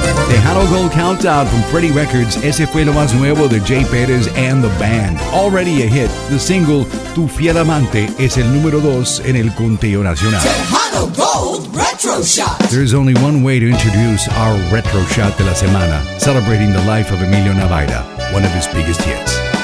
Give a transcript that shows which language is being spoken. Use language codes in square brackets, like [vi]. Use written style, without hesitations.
[en] Tejano Gold Countdown from Freddy Records. [es] Ese fue lo más nuevo de Jay Perez and the band. [en] Already a hit, the single [es] Tu Fiel Amante es el número 2 en el conteo nacional. [en] Tejano Gold Retro Shot. There's only one way to introduce our Retro Shot [es] de la semana, [en] celebrating the life of Emilio Navaira, one of his biggest hits.